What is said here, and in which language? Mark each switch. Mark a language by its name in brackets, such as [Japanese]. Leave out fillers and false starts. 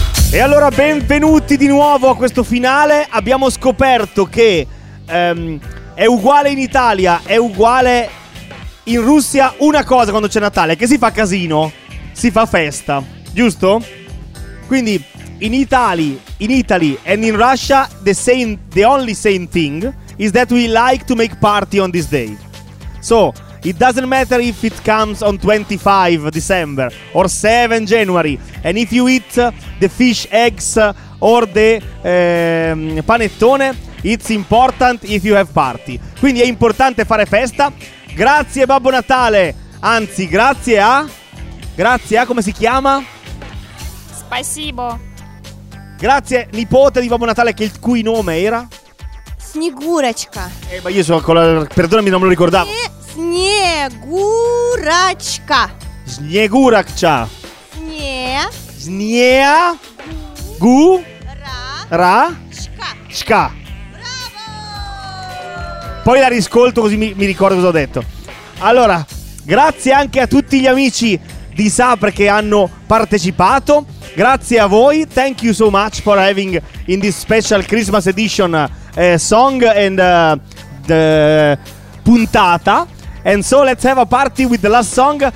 [Italian] E allora benvenuti di nuovo a questo finale. Abbiamo scoperto che è uguale in Italia, è uguale in Russia una cosa quando c'è Natale, che si fa casino, si fa festa, giusto? [English] Quindi in Italy and in Russia the only same thing is that we like to make party on this day. So, it doesn't matter if it comes on 25 December or 7 January and if you eat the fish eggs or the panettone, it's important if you have party. [Italian] Quindi è importante fare festa. Grazie Babbo Natale, anzi grazie a come si chiama? [Russian] Спасибо. [Italian] Grazie nipote di Babbo Natale, che il cui nome era? [Russian] Снегурочка. [Italian] Ma io sono con la, perdonami, non me lo ricordavo. [Russian] Снегурочка. Снегурочка. Снега. Гу. Ра. Чка. Браво! [Italian] Поi la riscolto così mi ricordo cosa ho detto. Allora, grazie anche a tutti gli amici di Sapre che hanno partecipato. Grazie a voi. [English] Thank you so much for having in this special Christmas edition song and the puntata. And so let's have a party with the last song.